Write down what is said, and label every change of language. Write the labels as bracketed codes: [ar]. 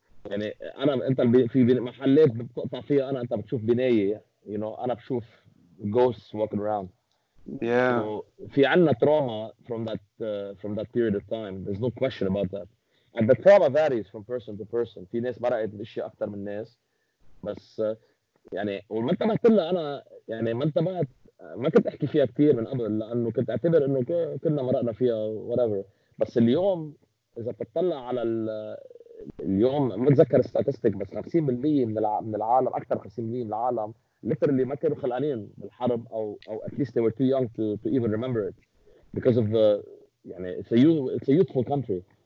[ar] يعني أنا أنت في محلات بتقطع فيها أنا أنت بتشوف بناية. [en] You know, [ar] أنا بشوف [en] ghosts walking around. Yeah. [ar] في عنا [en] trauma from that period of time. There's no question about that. And the trauma varies from person to person. [ar] في ناس مرقت بأشياء أكثر من ناس. بس يعني وما انتبهت لها أنا, يعني ما انتبهت, ما كنت أحكي فيها كثير من قبل لأنه كنت أعتبر إنه كلنا مرقنا فيها whatever. بس اليوم إذا بتطلع على اليوم ما بتذكر statistic بس 50% من العالم, أكثر 50% من العالم [en] literally [ar] ما كانوا خلقانين بالحرب أو [en] at least they were too young to even remember it because of the [ar] يعني [en] it's a youthful country.